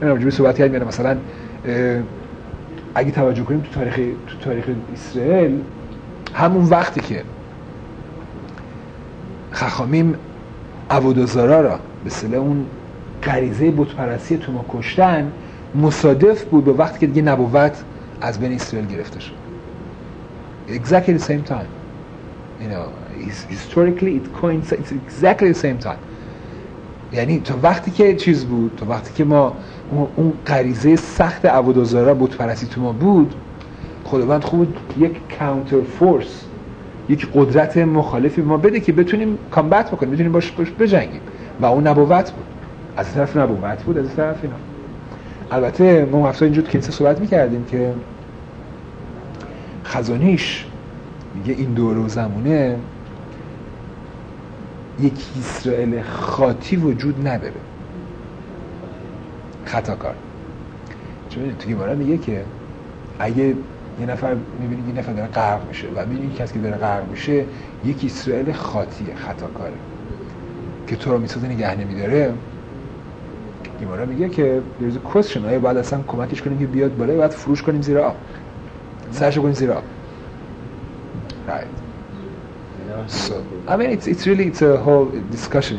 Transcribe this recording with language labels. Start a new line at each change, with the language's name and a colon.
Persian: یعنی اونجوری صحبت کردیم یعنی مثلا اگه توجه کنیم تو تاریخ اسرائیل همون وقتی که خخامیم عبودزارا را به اصطلاح اون غریزه بت‌پرستی تو ما کشتن مصادف بود به وقتی که دیگه نبوت از بین اسرائیل گرفته شد.
English: Exactly the same time. You know, historically it coincides exactly the same time.
Persian: یعنی تو وقتی که چیز بود، تو وقتی که ما اون غریزه سخت عبودزارا بت‌پرستی تو ما بود، خداوند خود یک کانتر فورس، یک قدرت مخالفی به ما بده که بتونیم کامبت بکنیم، بتونیم باش بجنگیم. و اون نبوت بود. از طرف نبوت بود، از طرف اینا. البته ما هفته اینجور کلیسه صحبت میکردیم که خزانیش میگه این دور و زمونه یکی اسرائیل خاطی وجود نداره. خطاکار چون میدونی توی باره میگه که اگه یه نفر میبینی یه نفر داره غرق میشه و میبینی یک کسی که داره غرق میشه یکی اسرائیل خاطیه، خطاکاره که تو رو میسازه نگه نمیداره. گیمارا میگه که there's a question، آیا بعد اصلا کمکش کنیم که بیاد بالا یا بعد فروش کنیم زیرا سرش رو کنیم زیرا right.
English: So I mean it's really a whole discussion.